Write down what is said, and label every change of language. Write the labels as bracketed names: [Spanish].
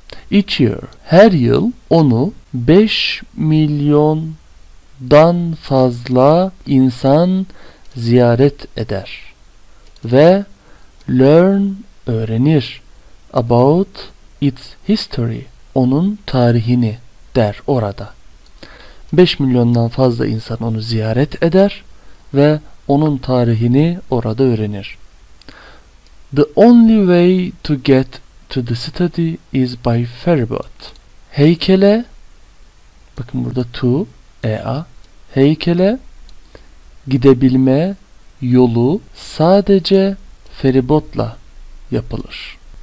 [English] Each year, [Turkish] her yıl onu 5 milyondan fazla insan ziyaret eder ve learn, öğrenir [English] about its history, [Turkish] onun tarihini der orada. 5 milyondan fazla insan onu ziyaret eder ve onun tarihini orada öğrenir. [English] The only way to get to the city is by ferryboat. [Turkish] Heykele, bakın burada to, ea, heykele gidebilme yolu sadece feribotla yapılır.